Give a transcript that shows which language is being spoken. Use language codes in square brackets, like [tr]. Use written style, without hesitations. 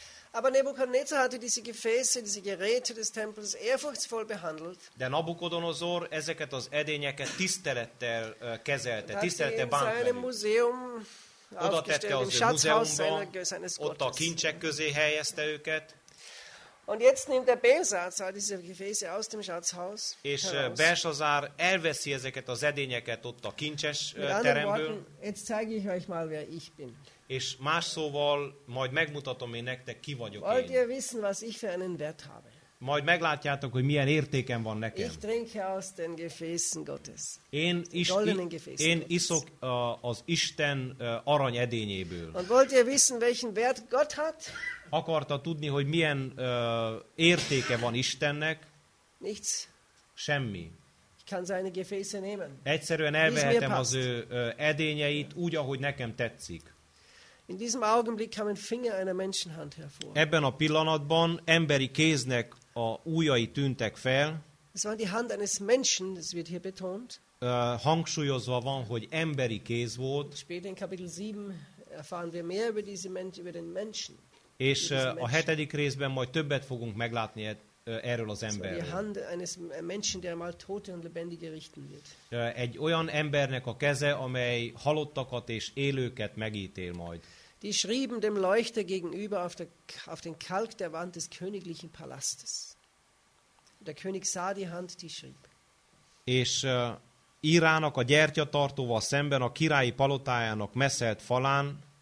[de] Aber Nebukadnezar hatte diese Gefäße, diese Geräte des Tempels ehrfurchtsvoll behandelt. [hu] De Nabukodonozor ezeket az edényeket tisztelettel kezelte, tisztelettel bánt velük. Museum oda tette az ő múzeumban, ott a kincsek közé helyezte őket. [de] Und jetzt nimmt der Belsazar diese Gefäße aus dem Schatzhaus. [hu] És Belsazár elveszi ezeket az edényeket ott a kincses teremből. [de] Jetzt zeige ich euch mal, wer ich bin. [hu] És más szóval majd megmutatom én nektek, ki vagyok én. [de] Wollt ihr wissen, was ich für einen Wert habe? [hu] Majd meglátjátok, hogy milyen értéken van nekem. [de] Ich trinke aus den Gefäßen Gottes. [hu] Én iszok az Isten arany edényéből. [de] Und wollt ihr wissen, welchen Wert Gott hat? [hu] Akarta tudni, hogy milyen értéke van Istennek? [de] Nichts. [hu] Semmi. [de] Ich kann seine Gefäße nehmen. [hu] Egyszerűen elvehetem az ő edényeit úgy, ahogy nekem tetszik. [de] In diesem Augenblick kam ein Finger einer Menschenhand hervor. [hu] Ebben a pillanatban emberi kéznek a ujjai tűntek fel. [de] Es war die Hand eines Menschen, das wird hier betont. [hu] Hangsúlyozva van, hogy emberi kéz volt. [de] Später in Kapitel 7 erfahren wir mehr über diese Menschen, über den Menschen. [hu] És a hetedik részben majd többet fogunk meglátni erről az emberről. [de] Die Hand eines Menschen, der mal Tote und Lebendige richten wird. [hu] Egy olyan embernek a keze, amely halottakat és élőket megítél majd. [de] Die schrieben dem Leuchter gegenüber auf den Kalk der Wand des königlichen Palastes. Der König sah die Hand, die schrieb. [hu] És Írának a gyertyatartóval szemben a királyi palotájának meszelt falán.